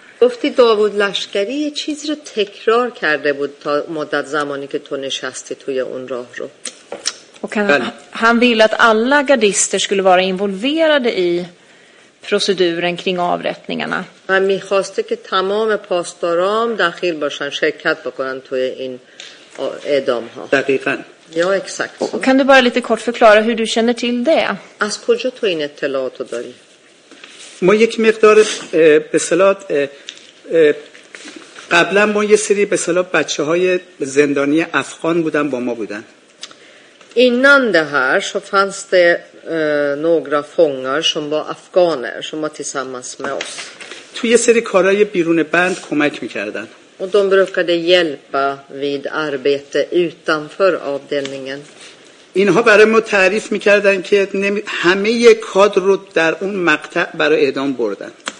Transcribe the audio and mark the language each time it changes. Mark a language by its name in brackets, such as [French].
[Persian] Gufti Davud Lashkari, چیز رو تکرار کرده بود تا مدت زمانی که تو نشستی توی اون راه رو. [Swedish] Och han ville att alla gardister skulle vara involverade i proceduren kring avrättningarna. Han [Persian] میخواسته که تمام پاسداران داخل باشن شرکت بکنن توی این اعدام ها. دقیقاً. [Swedish] یا اکسکت. Kan du bara lite kort förklara hur du känner till det? [Persian] از کجا تو این اطلاعات رو داری؟ ما یک مقدار به اصطلاح قبلا ما یه سری به اصطلاح بچه‌های زندانی افغان بودن با ما بودن. [Swedish] Innan det här så fanns det några fångar som var afghaner som var tillsammans med oss. [Persian] تو یه سری کارهای بیرون بند کمک میکردن. [Swedish] Och de brukade hjälpa vid arbete utanför avdelningen. [Persian] اینها برای ما تعریف میکردن که همه کادر رو در اون مقطع برای اعدام بردن.